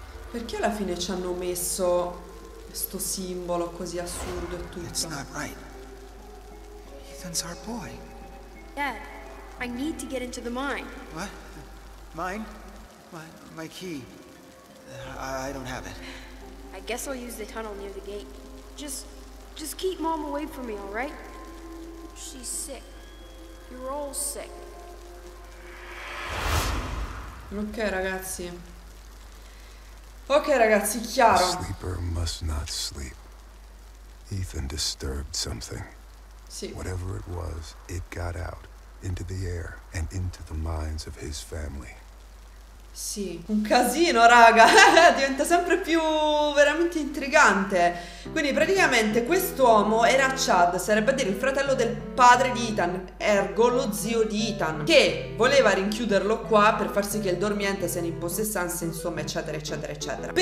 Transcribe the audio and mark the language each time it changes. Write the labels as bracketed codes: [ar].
[it] Perché alla fine ci hanno messo questo simbolo così assurdo e tutto? [en] It's not right. Ethan's our boy. Dad, I need to get into the mine. What? Mine? My key. I don't have it. I guess I'll use the tunnel near the gate. Just keep Mom away from me, all right? She's sick. You're all sick. [it] Ok, ragazzi. Ok, ragazzi, chiaro. [en] Sleeper must not sleep. Ethan disturbed something. [it] Sì. [en] Whatever it was, it got out into the air and into the minds of his family. [it] Sì, un casino, raga. Diventa sempre più veramente intrigante. Quindi praticamente quest'uomo era Chad, sarebbe a dire il fratello del padre di Ethan, ergo lo zio di Ethan, che voleva rinchiuderlo qua per far sì che il dormiente se ne impossessasse, insomma, eccetera eccetera eccetera.